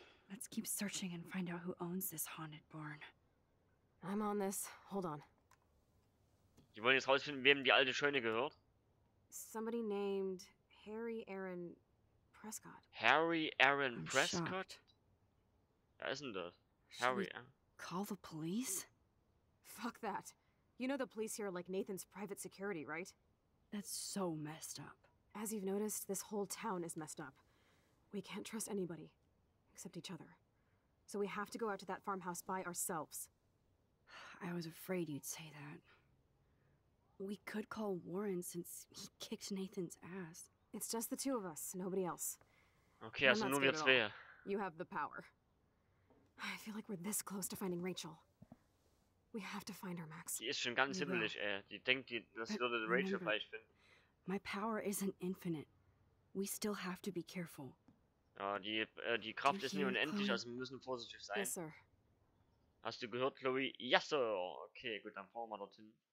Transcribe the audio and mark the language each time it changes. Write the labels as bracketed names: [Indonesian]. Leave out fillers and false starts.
[English] Let's keep searching and find out who owns this haunted barn. I'm on this. Hold on. [German] Die wollen jetzt rausfinden, wem die alte Scheune gehört. [English] Somebody named Harry Aaron Prescott. Harry Aaron Prescott? [German] Ja, ist denn das? [English] Harry Aaron. Call the police? Fuck that. You know the police here are like Nathan's private security, right? That's so messed up. As you've noticed, this whole town is messed up. We can't trust anybody. Except each other. So we have to go out to that farmhouse by ourselves. I was afraid you'd say that. We could call Warren since he kicked Nathan's ass. It's just the two of us, nobody else. [German] Okay, also nur wir zwei. [English] You have the power. I feel like we're this close to finding Rachel. We have to find her, Max. [German] Die ist schon ganz himmlisch, ey. Die denkt, dass sie dort Rachel falsch findet. [English] My power isn't infinite. We still have to be careful. [German] Ja, die Kraft ist nicht unendlich, also wir müssen vorsichtig sein. [English] Yes, sir. [German] Hast du gehört, Chloe? Ja, Sir! Okay, gut, dann fahren wir dorthin.